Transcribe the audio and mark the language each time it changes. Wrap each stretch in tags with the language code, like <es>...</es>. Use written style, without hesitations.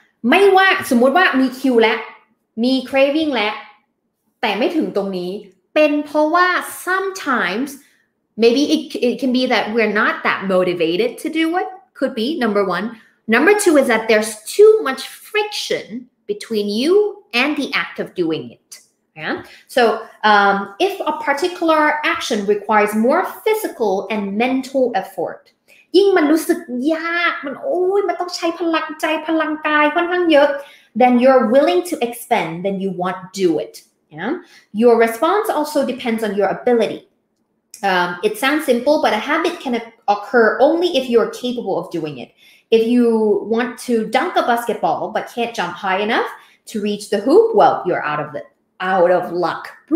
<th>ไม่ว่าสมมติว่ามีคิวและมี craving และแต่ไม่ถึงตรงนี้เป็นเพราะว่า</th> <en>sometimesMaybe it can be that we're not that motivated to do it. Could be, number one. Number two is that there's too much friction between you and the act of doing it. Yeah. So if a particular action requires more physical and mental effort,</en> <th>ยิ่งมันรู้สึกยากมันโอ้ยมันต้องใช้พลังใจพลังกายค่อนข้างเยอะ</th> <en>then you're willing to expend, then you won't do it. Yeah. Your response also depends on your ability. It sounds simple, but a habit can occur only if you are capable of doing it. If you want to dunk a basketball but can't jump high enough to reach the hoop, well, you're out of luck.</en>